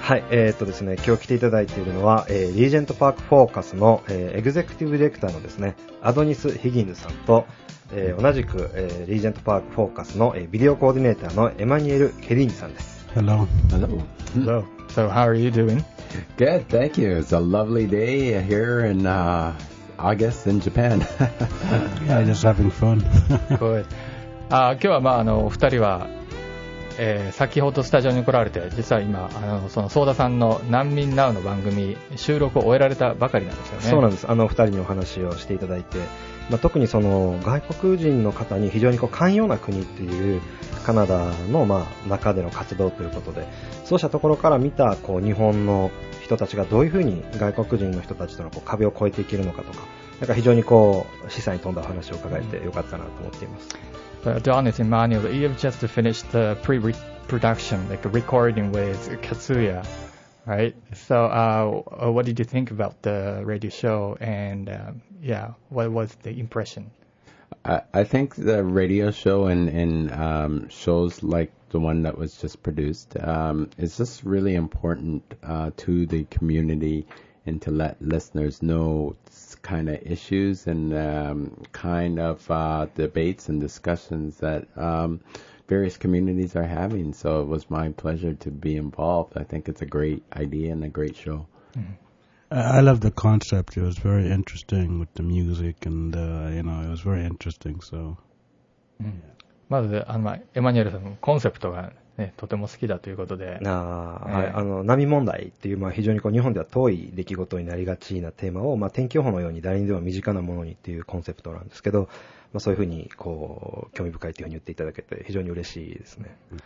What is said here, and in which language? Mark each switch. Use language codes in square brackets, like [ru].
[ja] はい、ですね、今日来ていただいているのは、リージェントパークフォーカスの、エグゼクティブディレクターのですね、アドニス・ヒギンズさんと、同じく、リージェントパークフォーカスの、ビデオコーディネーターのエマニュエル・ケリーニさんです。 [en] Hello. Hello. Hello. So how are you doing? Good, thank you. It's a lovely day here in August in Japan. Yeah, just having fun. Good. [ja] 今日は、お二人は、先ほどスタジオに来られて、実は今その相田さんの難民 NOW の番組収録を終えられたばかりなんですよね。そうなんです。二人にお話をしていただいて、特にその外国人の方に非常にこう寛容な国っていうカナダの中での活動ということで、そうしたところから見たこう日本の人たちがどういうふうに外国人の人たちとのこう壁を越えていけるのかとか、なんか非常にこう示唆に富んだお話を伺えてよかったなと思っています。 [en] Darnis and Manuel, you have just finished the pre-production, like a recording with Katsuya, right? So, what did you think about the radio show and, what was the impression? I think the radio show and shows like the one that was just produced is just really important to the community, and to let listeners know kind of issues and kind of debates and discussions that various communities are having. So it was my pleasure to be involved. I think it's a great idea and a great show. Mm-hmm. I love the concept. It was very interesting with the music and, it was very interesting, so.、 [ja] まず、エマニュエルさんのコンセプトが、ね、とても好きだということで。波問題っていう、非常にこう日本では遠い出来事になりがちなテーマを、天気予報のように誰にでも身近なものにっていうコンセプトなんですけど、そういうふうにこう興味深いというふうに言っていただけて非常に嬉しいですね。